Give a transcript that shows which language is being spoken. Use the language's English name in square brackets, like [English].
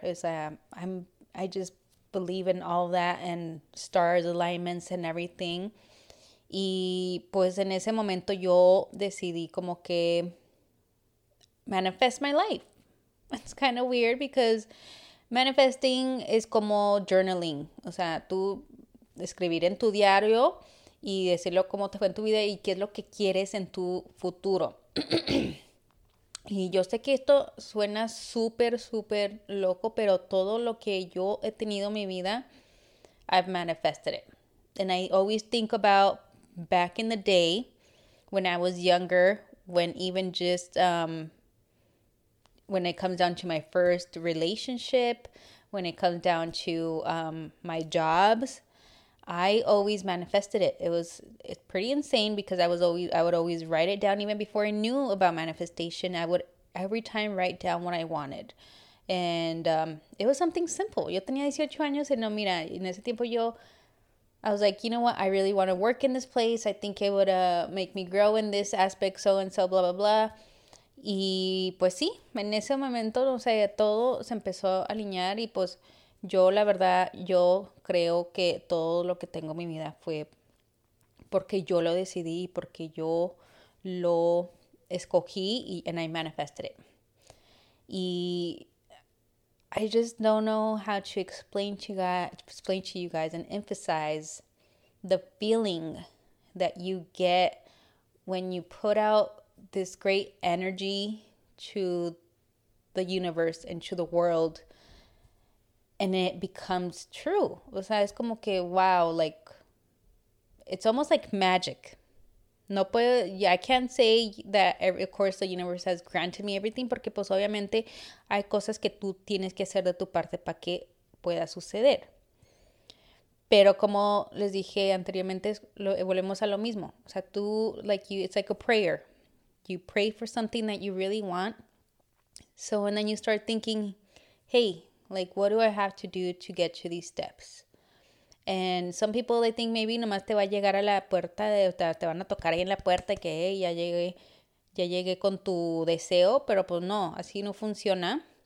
[English] It's I just believe in all that and stars alignments and everything. [Spanish] Y pues en ese momento yo decidí como que [English] manifest my life. It's kind of weird because manifesting is como journaling. [Spanish] O sea, tú escribir en tu diario y decirlo cómo te fue en tu vida y qué es lo que quieres en tu futuro. Y yo sé que esto suena súper, súper loco, pero todo lo que yo he tenido en mi vida, [English] I've manifested it. And I always think about back in the day when I was younger, when even just when it comes down to my first relationship, when it comes down to my jobs, I always manifested it. It's pretty insane because I would always write it down even before I knew about manifestation. I would every time write down what I wanted. And it was something simple. [Spanish] Yo tenía 18 años y no, mira, en ese tiempo [English] I was like, you know what? I really want to work in this place. I think it would make me grow in this aspect, so and so, blah, blah, blah. [Spanish] Y pues sí, en ese momento, o sea, todo se empezó a alinear y pues yo, la verdad, yo creo que todo lo que tengo en mi vida fue porque yo lo decidí, porque yo lo escogí y [English] and I manifested it. Y I just don't know how to explain to you guys and emphasize the feeling that you get when you put out this great energy to the universe and to the world and it becomes true. [Spanish] O sea, es como que, [English] wow, like, it's almost like magic. [Spanish] No puedo, [English] yeah, I can't say that, of course, the universe has granted me everything, [Spanish] porque pues obviamente hay cosas que tú tienes que hacer de tu parte para que pueda suceder. Pero como les dije anteriormente, volvemos a lo mismo. O sea, tú, [English] like, it's like a prayer. You pray for something that you really want. So, and then you start thinking, hey, like, what do I have to do to get to these steps? And some people, they think maybe [Spanish] nomás te va a llegar a la puerta, te van a tocar ahí en la puerta que hey, ya llegué con tu deseo, pero pues no, así no funciona.